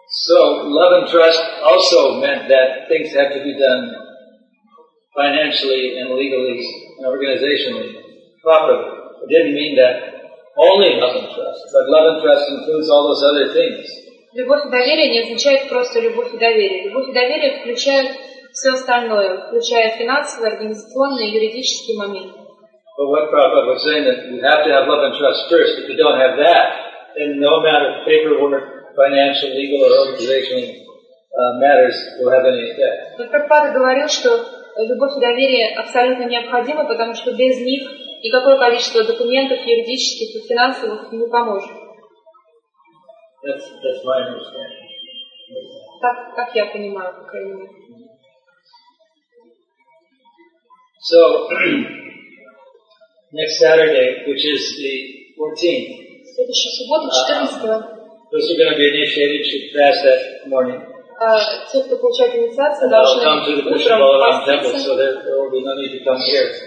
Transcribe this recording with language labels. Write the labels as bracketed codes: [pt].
[en] So love and trust also meant that things have to be done financially and legally and organizationally properly. It didn't mean that only love and trust, but love and trust includes all those other things. [ru] Любовь и доверие не означает просто любовь и доверие. Любовь и доверие включают все остальное, включая финансовые, организационные, юридические моменты. [en] But what Prabhupada was saying that you have to have love and trust first. If you don't have that, then no amount of paperwork, financial, legal, or organizational matters will have any effect. But [ru] Prabhupada говорил, что любовь и доверие абсолютно необходимы, потому что без них никакое количество документов юридических и финансовых не поможет. [en] That's my understanding. [ru] Так я понимаю, по крайней мере. [en] So, next Saturday, which is the 14th, those who are going to be initiated should fast that morning. They'll come to the Krishna Balaram temple, so there will be no need to come here.